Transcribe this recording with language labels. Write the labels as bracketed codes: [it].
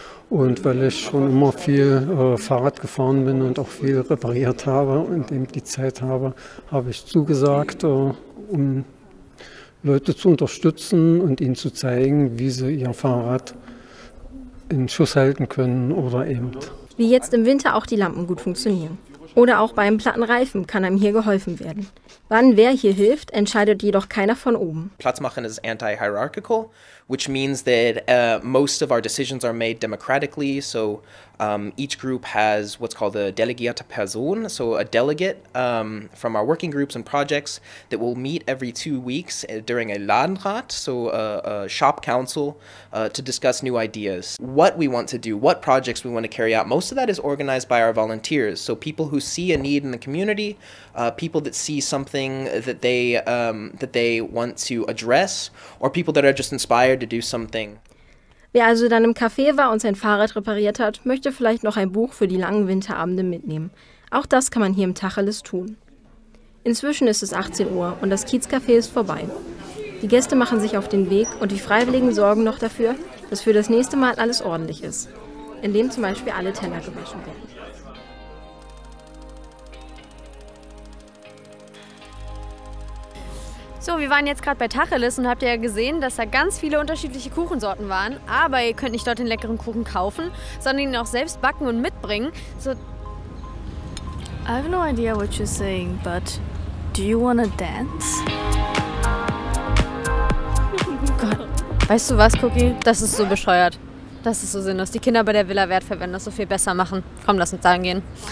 [de] Und weil ich schon immer viel Fahrrad gefahren bin und auch viel repariert habe und eben die Zeit habe, habe ich zugesagt, um Leute zu unterstützen und ihnen zu zeigen, wie sie ihr Fahrrad in Schuss halten können oder eben. Wie jetzt im Winter auch die Lampen gut funktionieren. Oder auch beim platten Reifen kann einem hier geholfen werden. Wann wer hier hilft, entscheidet jedoch keiner von oben. Platz machen ist [en] anti-hierarchical, which means that most of our decisions are made democratically. So each group has what's called a delegierte Person, so a delegate from our working groups and projects that will meet every 2 weeks during a Ladenrat, so a shop council, to discuss new ideas. What we want to do, what projects we want to carry out, most of that is organized by our volunteers. So people who see a need in the community, people that see something that they want to address, or people that are just inspired to do something. [de] Wer also dann im Café war und sein Fahrrad repariert hat, möchte vielleicht noch ein Buch für die langen Winterabende mitnehmen. Auch das kann man hier im Tacheles tun. Inzwischen ist es 18 Uhr und das Kiezcafé ist vorbei. Die Gäste machen sich auf den Weg und die Freiwilligen sorgen noch dafür, dass für das nächste Mal alles ordentlich ist, indem zum Beispiel alle Teller gewaschen werden. So, wir waren jetzt gerade bei Tacheles und habt ihr ja gesehen, dass da ganz viele unterschiedliche Kuchensorten waren. Aber ihr könnt nicht dort den leckeren Kuchen kaufen, sondern ihn auch selbst backen und mitbringen. So. [en] I have no idea what you're saying, but do you wanna dance? [de] Gott, weißt du was, Cookie? Das ist so bescheuert. Das ist so sinnlos. Die Kinder bei der Villa Wert verwenden das so viel besser machen. Komm, lass uns da hingehen.